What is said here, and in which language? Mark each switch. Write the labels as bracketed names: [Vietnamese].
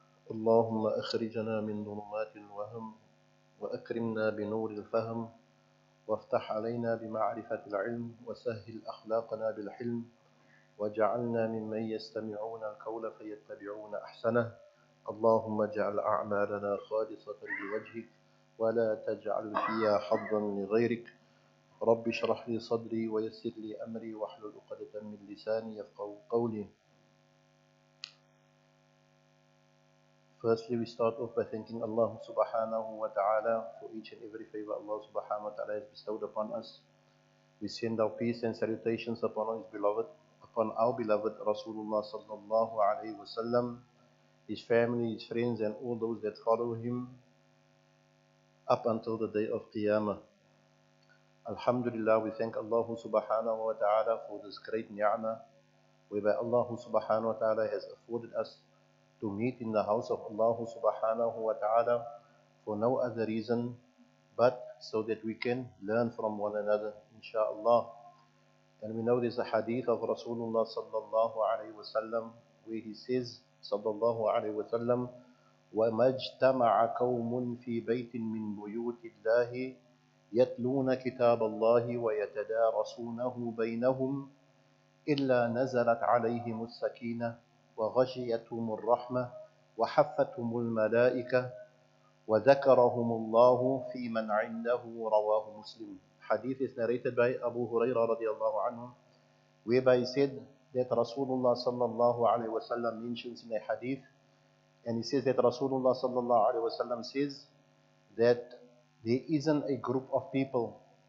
[Arabic] اللهم أخرجنا من ظلمات الوهم وأكرمنا بنور الفهم وافتح علينا بمعرفة العلم وسهل أخلاقنا بالحلم وجعلنا ممن يستمعون القول فيتبعون أحسنه اللهم اجعل أعمالنا خالصة لوجهك ولا تجعل فيها حظا لغيرك رب اشرح لي صدري ويسر لي أمري واحلل عقدة من لساني يفقهوا قولي. [English] Firstly, we start off by thanking Allah subhanahu wa ta'ala for each and every favor Allah subhanahu wa ta'ala has bestowed upon us. We send our peace and salutations upon His beloved, upon our beloved Rasulullah sallallahu alayhi wa sallam, his family, his friends, and all those that follow him up until the day of Qiyamah. Alhamdulillah, we thank Allah subhanahu wa ta'ala for this great ni'mah whereby Allah subhanahu wa ta'ala has afforded us to meet in the house of Allah subhanahu wa ta'ala for no other reason but so that we can learn from one another, insha'Allah. And we know there's a hadith of Rasulullah sallallahu alayhi wa sallam where he says, sallallahu alayhi wa sallam, [Arabic] وَمَجْتَمَعَ كَوْمٌ فِي بَيْتٍ مِّن بُيُوتِ اللَّهِ يَتْلُونَ كِتَابَ اللَّهِ وَيَتَدَارَسُونَهُ بَيْنَهُمْ إِلَّا نَزَلَتْ عَلَيْهِمُ السَّكِينَةُ وَغَشِيَتْهُمُ الرَّحْمَةُ وَحَفَّتْهُمُ الْمَلَائِكَةُ وَذَكَرَهُمُ اللَّهُ فِي مَنْ عِنْدَهُ رَوَاهُ مُسْلِمُ. [English] Hadith is narrated by Abu Huraira radiallahu anhu, whereby he said that Rasulullah sallallahu alayhi wa sallam mentions in a hadith, and he says that Rasulullah sallallahu alayhi wa sallam says that there isn't a group of people,